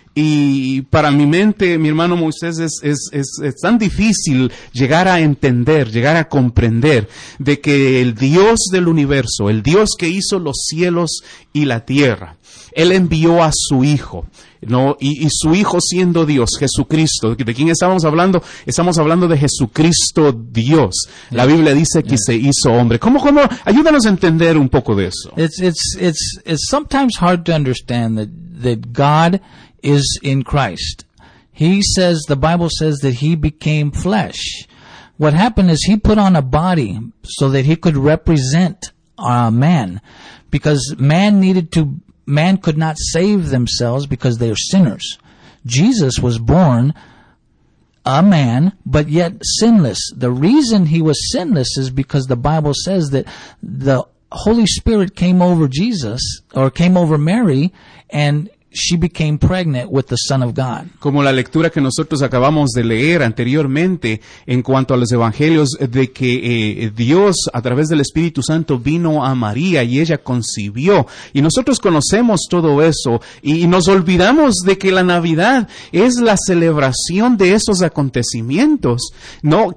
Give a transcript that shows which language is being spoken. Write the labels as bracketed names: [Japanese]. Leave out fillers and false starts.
[Spanish] Y para mi mente, mi hermano Moisés, es tan difícil llegar a entender, llegar a comprender de que el Dios del universo, el Dios que hizo los cielos y la tierra, Él envió a su Hijo, ¿no? Y su Hijo siendo Dios, Jesucristo, ¿de quién estamos hablando? Estamos hablando de Jesucristo Dios. La Biblia dice que se hizo hombre. ¿Cómo? Ayúdanos a entender un poco de eso. [English] It's sometimes hard to understand that God is in Christ. He says, the Bible says that He became flesh. What happened is He put on a body so that He could represent man, because man could not save themselves because they are sinners. Jesus was born a man, but yet sinless. The reason He was sinless is because the Bible says that the Holy Spirit came over Jesus, or came over Mary, and she became pregnant with the Son of God. [Spanish] Como la lectura que nosotros acabamos de leer anteriormente en cuanto a los evangelios, de que Dios a través del Espíritu Santo vino a María y ella concibió. Y nosotros conocemos todo eso y nos olvidamos de que la Navidad es la celebración de esos acontecimientos, ¿no?